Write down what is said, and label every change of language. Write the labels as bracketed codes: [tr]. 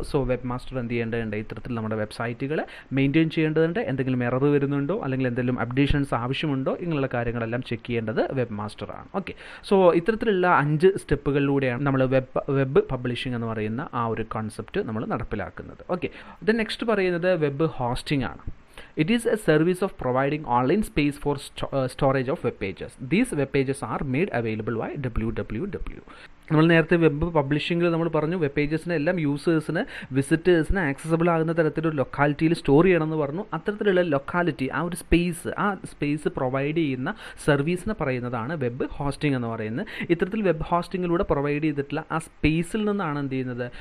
[ml] So web master എന്ത് ചെയ്യേണ്ടതുണ്ട്? ഇത്തരത്തിൽ നമ്മുടെ വെബ്സൈറ്റുകളെ മെയിൻറ്റെയിൻ ചെയ്യേണ്ടതുണ്ട്. എന്തെങ്കിലും എറർ വരുന്നുണ്ടോ അല്ലെങ്കിൽ എന്തെങ്കിലും അപ്ഡേഷൻസ് ആവശ്യമുണ്ടോ ഇങ്ങനെയുള്ള കാര്യങ്ങളെല്ലാം ചെക്ക് ചെയ്യേണ്ടത് വെബ് മാസ്റ്ററാണ്. ഓക്കെ, സോ ഇത്തരത്തിലുള്ള 5 സ്റ്റെപ്പുകളിലൂടെയാണ് നമ്മൾ വെബ് പബ്ലിഷിംഗ് എന്ന് പറയുന്ന ആ ഒരു കോൺസെപ്റ്റ് നമ്മൾ നടപ്പിലാക്കുന്നത്. ഓക്കെ, ദൻ നെക്സ്റ്റ് പറയുന്നത് വെബ് ഹോസ്റ്റിംഗ് ആണ്. [en] It is a service of providing online space for storage of web pages. These web pages are made available by www. [ml] നമ്മൾ നേരത്തെ വെബ് പബ്ലിഷിംഗിൽ നമ്മൾ പറഞ്ഞു വെബ് പേജസിനെ എല്ലാം യൂസേഴ്സിന് വിസിറ്റേഴ്സിന് ആക്സസബിൾ ആകുന്ന തരത്തിലൊരു ലൊക്കാലിറ്റിയിൽ സ്റ്റോർ ചെയ്യണമെന്ന് പറഞ്ഞു. അത്തരത്തിലുള്ള ലൊക്കാലിറ്റി, ആ ഒരു സ്പേസ്, ആ സ്പേസ് പ്രൊവൈഡ് ചെയ്യുന്ന സർവീസിനെ പറയുന്നതാണ് വെബ് ഹോസ്റ്റിംഗ് എന്ന് പറയുന്നത്. ഇത്തരത്തിൽ വെബ് ഹോസ്റ്റിങ്ങിലൂടെ പ്രൊവൈഡ് ചെയ്തിട്ടുള്ള ആ സ്പേസിൽ നിന്നാണ് എന്ത് ചെയ്യുന്നത്?